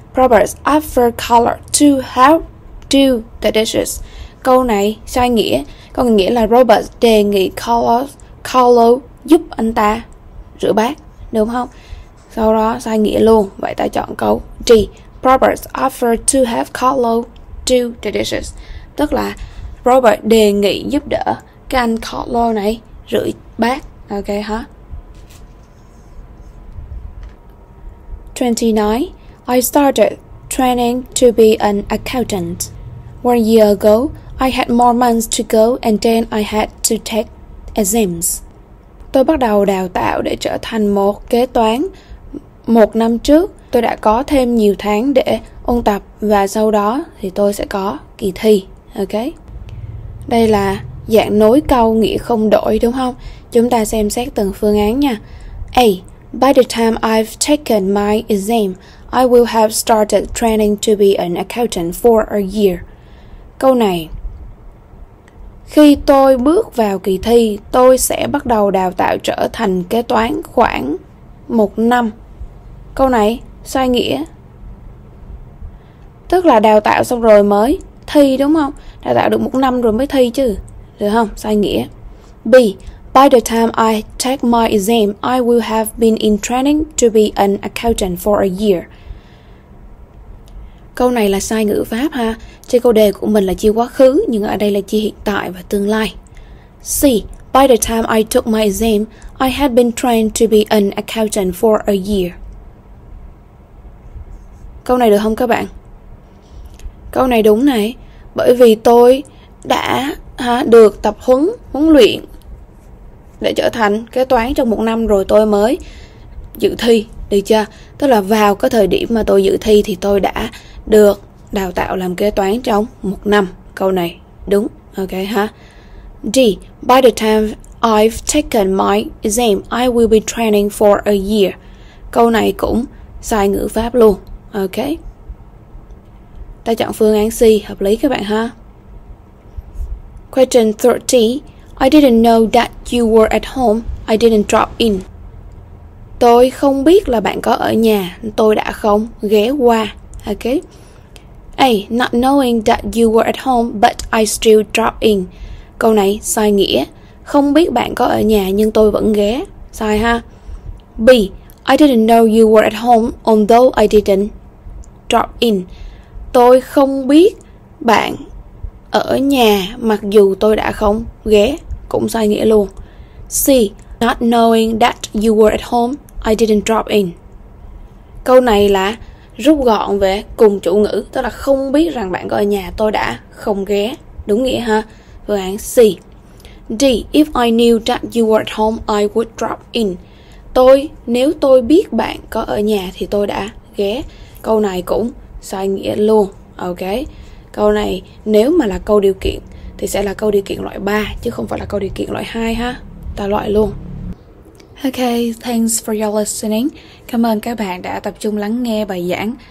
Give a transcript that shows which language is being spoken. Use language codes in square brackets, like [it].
[en] Robert offered Carlos to help do the dishes. [vi] Câu này sai nghĩa. Câu này nghĩa là Robert đề nghị Carlos giúp anh ta rửa bát, đúng không? Sau đó sai nghĩa luôn. Vậy ta chọn câu D. [en] Robert offered to help Carlos do the dishes. [vi] Tức là Robert đề nghị giúp đỡ cái anh Carlo này rửa bát. Ok hả? [en] 29. I started training to be an accountant. One year ago, I had more months to go and then I had to take exams. [vi] Tôi bắt đầu đào tạo để trở thành một kế toán. Một năm trước, tôi đã có thêm nhiều tháng để ôn tập và sau đó thì tôi sẽ có kỳ thi. Ok? Đây là dạng nối câu nghĩa không đổi, đúng không? Chúng ta xem xét từng phương án nha. A. [en] By the time I've taken my exam, I will have started training to be an accountant for a year. [vi] Câu này. Khi tôi bước vào kỳ thi, tôi sẽ bắt đầu đào tạo trở thành kế toán khoảng một năm. Câu này sai nghĩa. Tức là đào tạo xong rồi mới thi, đúng không? Đào tạo được một năm rồi mới thi chứ. Được không? Sai nghĩa. B. [en] By the time I take my exam, I will have been in training to be an accountant for a year. [vi] Câu này là sai ngữ pháp ha. Trên câu đề của mình là chia quá khứ, nhưng ở đây là chia hiện tại và tương lai. C. [en] By the time I took my exam, I had been trained to be an accountant for a year. [vi] Câu này được không các bạn? Câu này đúng này. Bởi vì tôi đã được tập huấn luyện để trở thành kế toán trong một năm rồi tôi mới dự thi, được chưa? Tức là vào cái thời điểm mà tôi dự thi thì tôi đã được đào tạo làm kế toán trong một năm. Câu này đúng. Ok ha. [en] D. By the time I've taken my exam, I will be training for a year. [vi] Câu này cũng sai ngữ pháp luôn. Ok. Ta chọn phương án C, hợp lý các bạn ha. [en] Question 30. I didn't know that you were at home. I didn't drop in. [vi] Tôi không biết là bạn có ở nhà. Tôi đã không ghé qua. Ok. A. [en] Not knowing that you were at home, but I still drop in. [vi] Câu này sai nghĩa. Không biết bạn có ở nhà nhưng tôi vẫn ghé. Sai ha. B. [en] I didn't know you were at home, although I didn't drop in. [vi] Tôi không biết bạn ở nhà mặc dù tôi đã không ghé. Cũng sai nghĩa luôn. C. [en] Not knowing that you were at home, I didn't drop in. [vi] Câu này là Rút gọn về cùng chủ ngữ, tức là không biết rằng bạn có ở nhà tôi đã không ghé. Đúng nghĩa ha. Phương án C. D. [en] If I knew that you were at home, I would drop in. [vi] Tôi, nếu tôi biết bạn có ở nhà thì tôi đã ghé. Câu này cũng sai nghĩa luôn. Ok. Câu này nếu mà là câu điều kiện thì sẽ là câu điều kiện loại 3 chứ không phải là câu điều kiện loại 2 ha. Ta loại luôn. [en] Ok, thanks for your listening. [vi] Cảm ơn các bạn đã tập trung lắng nghe bài giảng.